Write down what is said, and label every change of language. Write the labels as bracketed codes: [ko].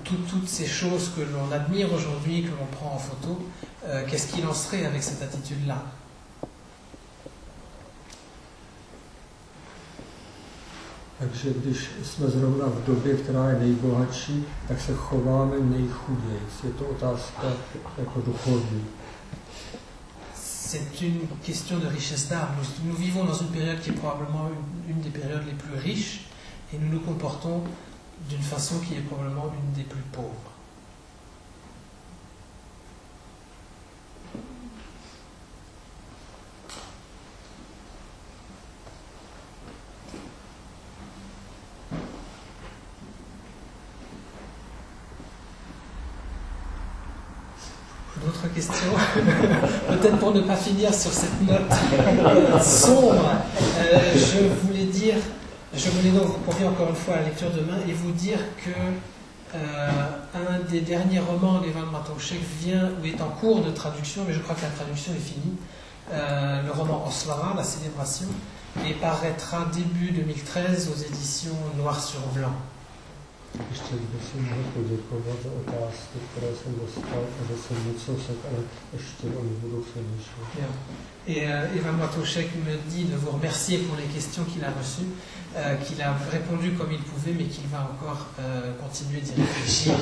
[fr] toutes ces choses que l'on admire aujourd'hui, que l'on prend en photo, qu'est-ce qu'il en serait avec cette attitude-là? [cs] Takže když jsme zrovna v době, která je nejbohatší, tak se chováme nejchuději. Je to otázka jako duchovní. [fr] C'est une question de richesse d'âme. Nous vivons dans une période qui est probablement une des périodes les plus riches et nous nous comportons d'une façon qui est probablement une des plus pauvres. D'autres questions? Peut-être pour ne pas finir sur cette note sombre, je voulais dire, je voulais donc reprendre encore une fois la lecture demain et vous dire que un des derniers romans d'Evan Matoushek vient ou est en cours de traduction, mais je crois que la traduction est finie, le roman Oslara, la célébration, et paraîtra début 2013 aux éditions Noir sur Blanc. [cs] Ještě bych si mohl poděkovat za otázky, které jsem dostal a že jsem něco řekl, ale ještě oni budou finišovat. Yeah. [fr] Et Evan Matoushek me dit de vous remercier pour les questions qu'il a reçues, qu'il a répondu comme il pouvait, mais qu'il va encore continuer d'y réfléchir.